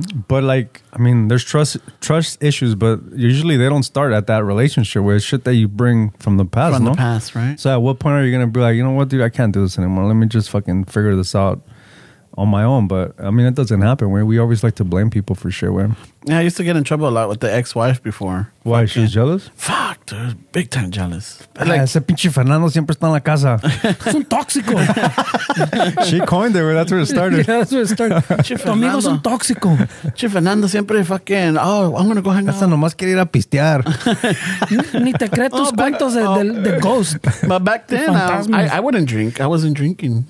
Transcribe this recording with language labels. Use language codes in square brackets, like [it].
[en] But, like, I mean, there's trust issues, but usually they don't start at that relationship where it's shit that you bring from the past, from From the past, right? So at what point are you going to be like, you know what, dude, I can't do this anymore. Let me just fucking figure this out. On my own, but I mean, it doesn't happen. We always like to blame people for shit, man. Yeah, I used to get in trouble a lot with the ex-wife before. Why? Fuck, she's jealous? Fuck, dude. Big time jealous. [es] Like, ese pinche Fernando siempre está en la casa. Son tóxicos. [en] She coined it, but that's where it started. Yeah, that's where it started. [es] Tu amigo son tóxico. [en] Che Fernando siempre fucking, oh, I'm going to go hang out. [es] Esa nomás quiere ir a pistear. Ni te crees tus cuentos de ghost. [en] But back then, I wouldn't drink. I wasn't drinking.